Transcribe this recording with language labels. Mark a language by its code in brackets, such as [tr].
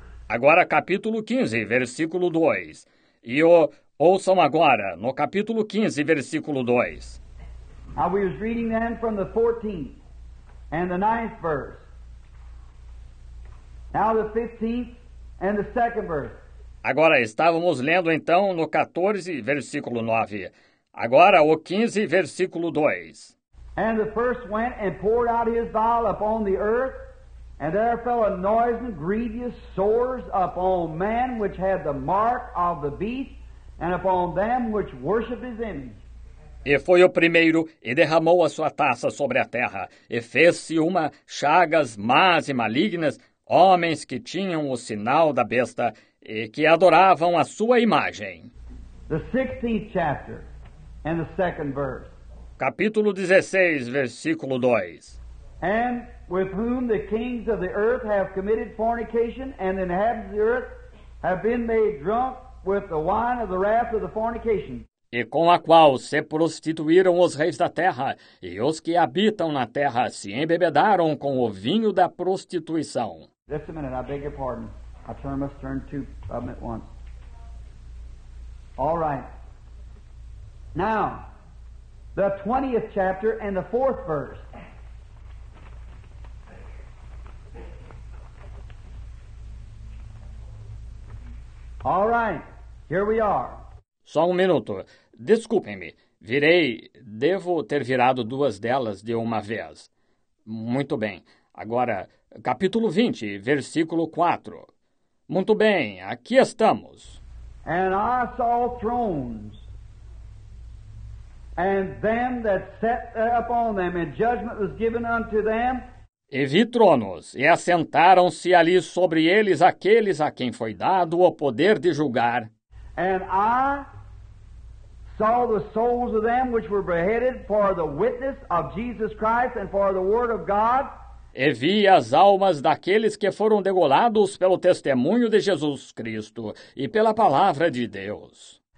[pt] Agora capítulo 15, versículo 2. E ouçam agora, no capítulo 15, versículo 2. [en] Now we was reading then from the 14th. And the ninth verse. Now the 15th and the second verse. [pt] Agora estávamos lendo então no 14, versículo 9. Agora o 15, versículo 2. [en] And the first went and poured out his vial upon the earth, and there fell a noise and grievous sores upon man which had the mark of the beast, and upon them which worshipped his image. [pt] E foi o primeiro, e derramou a sua taça sobre a terra, e fez-se uma chagas más e malignas, homens que tinham o sinal da besta, e que adoravam a sua imagem. [en] The 16th chapter, and the second verse. [pt] Capítulo 16, versículo 2. [en] And with whom the kings of the earth have committed fornication, and the inhabitants of the earth have been made drunk with the wine of the wrath of the fornication. [pt] E com a qual se prostituíram os reis da terra, e os que habitam na terra se embebedaram com o vinho da prostituição. [en] Just a minute, I beg your pardon. I turn, must turn two of them at once. All right. Now, the 20th chapter and the 4th verse. All right, here we are. [pt] Só um minuto. Desculpem-me, virei, devo ter virado duas delas de uma vez. Muito bem, agora, capítulo 20, versículo 4. Muito bem, aqui estamos. [en] And I saw thrones, and them that sat upon them, and judgment was given unto them. [pt] E vi tronos, e assentaram-se ali sobre eles aqueles a quem foi dado o poder de julgar. [en] And I saw the souls of them which were beheaded for the witness of Jesus Christ and for the word of God. [pt] E vi as almas daqueles que foram degolados pelo testemunho de Jesus Cristo e pela palavra de Deus.